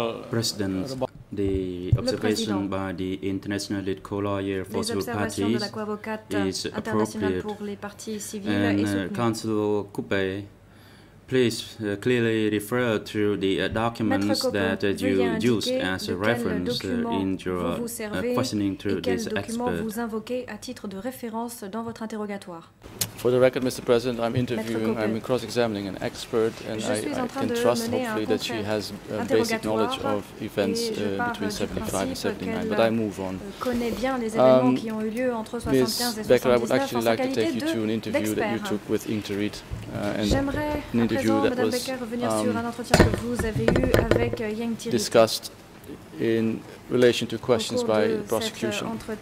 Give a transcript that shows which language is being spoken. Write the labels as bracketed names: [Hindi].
[English] President, the observation by the international lead co-lawyer for civil parties is appropriate. And Councilor Coupe, please clearly refer to the documents that you used as a reference in your questioning to this expert. [French] Vous invoquez à titre de référence dans votre interrogatoire. [English] For the record, Mr. President, I'm interviewing, I'm cross-examining an expert, and I can trust hopefully that she has basic knowledge of events between 75 and 79, but I move on. Ms. Becker, I would actually like to take you to an interview that you took with Interit, and an interview that was discussed in relation to questions by the prosecution.